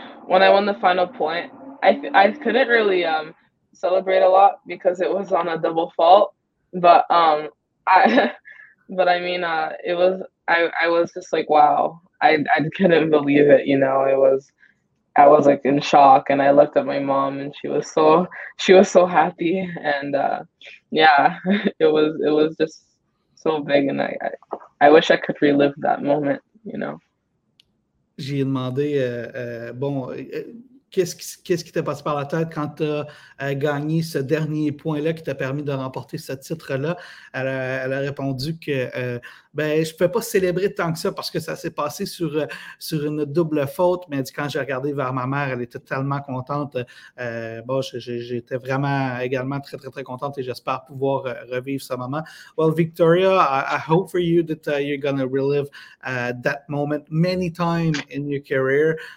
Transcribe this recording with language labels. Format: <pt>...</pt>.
<en>When I won the final point, I couldn't really celebrate a lot because it was on a double fault, but I was just like, wow, I couldn't believe it, you know. I was like in shock, and I looked at my mom, and she was so happy, and it was just so big, and I wish I could relive that moment, you know.</en> <fr>J'ai demandé qu'est-ce qui t'est passé par la tête quand tu as gagné ce dernier point-là qui t'a permis de remporter ce titre-là? Elle a répondu que je ne peux pas célébrer tant que ça parce que ça s'est passé sur une double faute. Mais elle dit, quand j'ai regardé vers ma mère, elle était tellement contente. J'étais vraiment également très, très, très contente et j'espère pouvoir revivre ce moment.</fr> <en>Well, Victoria, I hope for you that you're going to relive that moment many times in your career.</en>